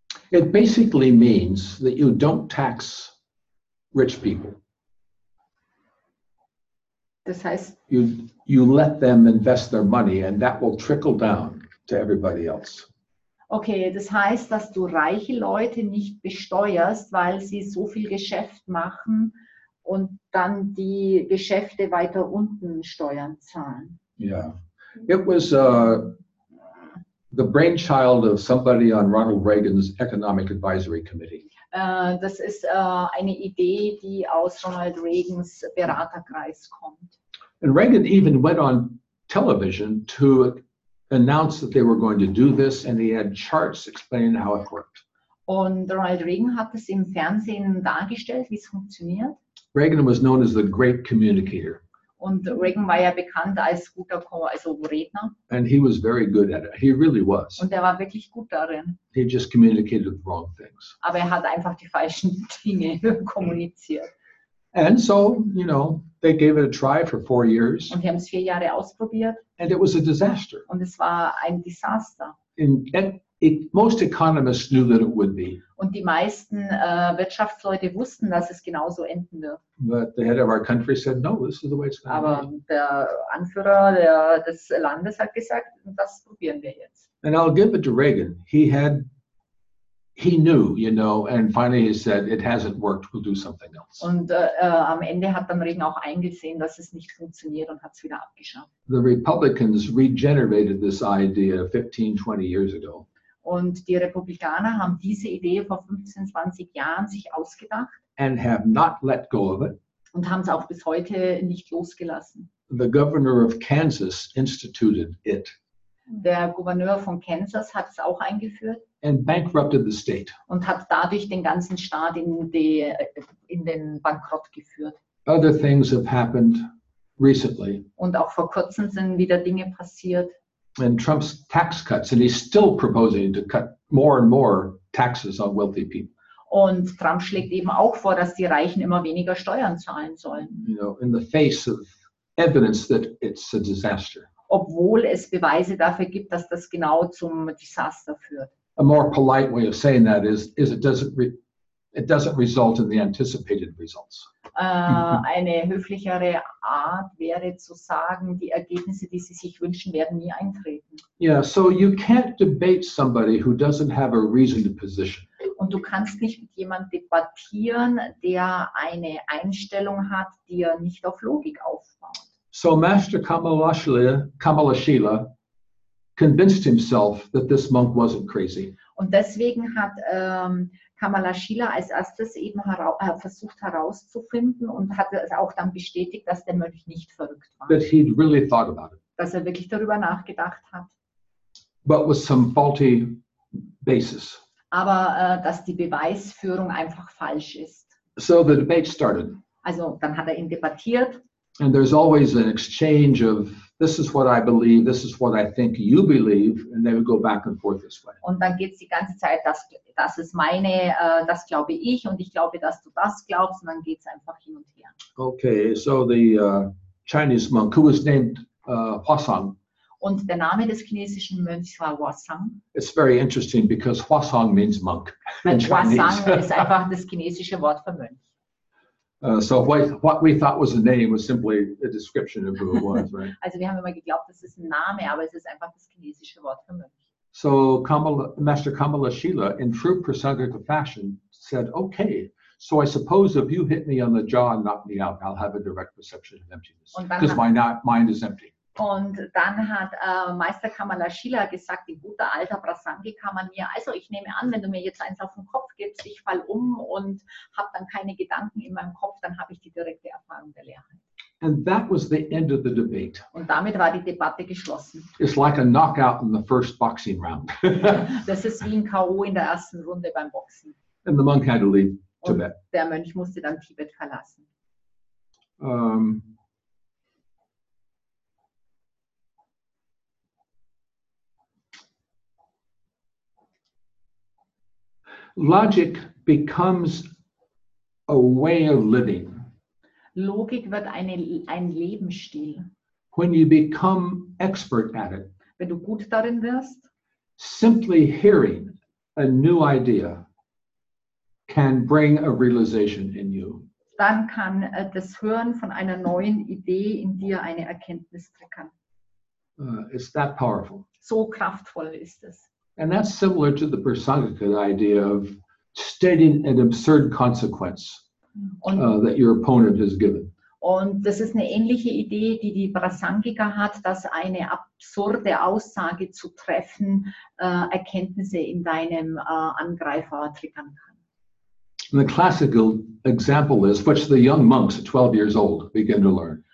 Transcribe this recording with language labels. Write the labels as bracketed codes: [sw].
[en] It basically means that you don't tax rich people. [de] Das heißt, [en] you let them invest their money and that will trickle down to everybody else. [de] Okay, das heißt, dass du reiche Leute nicht besteuerst, weil sie so viel Geschäft machen und dann die Geschäfte weiter unten Steuern zahlen. [en] Yeah. It was the brainchild of somebody on Ronald Reagan's Economic Advisory Committee. [de] Das ist eine Idee, die aus Ronald Reagans Beraterkreis kommt. [en] And Reagan even went on television to announce that they were going to do this, and he had charts explaining how it worked. [de] Und Ronald Reagan hat es im Fernsehen dargestellt, wie es funktioniert. [en] Reagan was known as the great communicator. [de] Und Reagan war ja bekannt als guter Redner. [en] And he was very good at it. He really was. [de] Und war wirklich gut darin. [en] He just communicated the wrong things. [de] Aber hat einfach die falschen Dinge kommuniziert. [en] And so, you know, they gave it a try for 4 years. [de] Und die haben es 4 Jahre ausprobiert. [en] And it was a disaster. [de] Und es war ein Desaster. [en] Most economists knew that it would be. [de] Und die meisten Wirtschaftsleute wussten, dass es genauso enden wird. [en] But the head of our country said, no, this is the way it's going to be. [de] Aber der Anführer des Landes hat gesagt, das probieren wir jetzt. [en] And I'll give it to Reagan. He knew, you know, and finally he said, it hasn't worked, we'll do something else. [de] Und am Ende hat dann Reagan auch eingesehen, dass es nicht funktioniert und hat es wieder abgeschafft. [en] The Republicans regenerated this idea 15, 20 years ago. [de] Und die Republikaner haben diese Idee vor 15, 20 Jahren sich ausgedacht. [en] And have not let go of it. [de] Und haben es auch bis heute nicht losgelassen. [en] The governor of Kansas instituted it. [de] Der Gouverneur von Kansas hat es auch eingeführt. [en] And bankrupted the state. [de] Und hat dadurch den ganzen Staat in den Bankrott geführt. [en] Other things have happened recently. [de] Und auch vor kurzem sind wieder Dinge passiert. [en] And Trump's tax cuts, and he's still proposing to cut more and more taxes on wealthy people. [de] Und Trump schlägt eben auch vor, dass die Reichen immer weniger Steuern zahlen sollen. [en] You know, in the face of evidence that it's a disaster. [de] Obwohl es Beweise dafür gibt, dass das genau zum Desaster führt. [en] A more polite way of saying that is it doesn't result in the anticipated results. [de] Eine höflichere Art wäre zu sagen, die Ergebnisse, die Sie sich wünschen, werden nie eintreten. [en] Yeah, so you can't debate somebody who doesn't have a reasoned position. [de] Und du kannst nicht mit jemandem debattieren, der eine Einstellung hat, die er nicht auf Logik aufbaut. [en] So Master Kamalashila convinced himself that this monk wasn't crazy. [de] Und deswegen hat Kamalashila als erstes eben versucht herauszufinden und hat es auch dann bestätigt, dass der Mönch nicht verrückt war. [en] That he'd really thought about it. [de] Dass wirklich darüber nachgedacht hat. [en] But with some faulty basis. [de] Aber dass die Beweisführung einfach falsch ist. [en] So the debate started. [de] Also dann hat ihn debattiert. [en] And there's always an exchange of this is what I believe, this is what I think you believe, and they would go back and forth this way. [de] Und dann geht's die ganze Zeit, das ist meine, das glaube ich, und ich glaube, dass du das glaubst, und dann geht's einfach hin und her. [en] Okay, so the Chinese monk, who was named Huasong. [de] Und der Name des chinesischen Mönchs war Huasong. [en] It's very interesting because Huasong means monk in Chinese. [de] Huasong ist einfach das chinesische Wort für Mönch. [en] So what we thought was a name was simply a description of who it was, right? [de] Also wir haben immer geglaubt, das ist ein Name, aber es ist einfach das chinesische Wort für Mönch. [en] So Master Kamalashila, in true Prasangika fashion, said, okay, so I suppose if you hit me on the jaw and knock me out, I'll have a direct perception of emptiness, because my mind is empty. [de] Und dann hat Meister Kamala Shila gesagt, die gute alte Prasangika-Manier, also ich nehme an, wenn du mir jetzt eins auf den Kopf gibst, ich fall um und habe dann keine Gedanken in meinem Kopf, dann habe ich die direkte Erfahrung der Leerheit. [en] And that was the end of the debate. [de] Und damit war die Debatte geschlossen. [en] It's like a knockout in the first boxing round. [de] Das ist wie ein K.O. in der ersten Runde beim Boxen. [en] And the monk had to leave Tibet. [de] Und der Mönch musste dann Tibet verlassen. [en] Logic becomes a way of living. [de] Logik wird ein Lebensstil. [en] When you become expert at it. [de] Wenn du gut darin wirst. [en] Simply hearing a new idea can bring a realization in you. [de] Dann kann das Hören von einer neuen Idee in dir eine Erkenntnis triggern. [en] It's that powerful. [de] So kraftvoll ist es. [en] And that's similar to the Prasangika idea of stating an absurd consequence that your opponent has given. [de] Und das ist eine ähnliche Idee, die Prasangika hat, dass eine absurde Aussage zu treffen Erkenntnisse in deinem Angreifer triggern kann. [en] And the classical example is which the young monks at 12 years old begin to learn.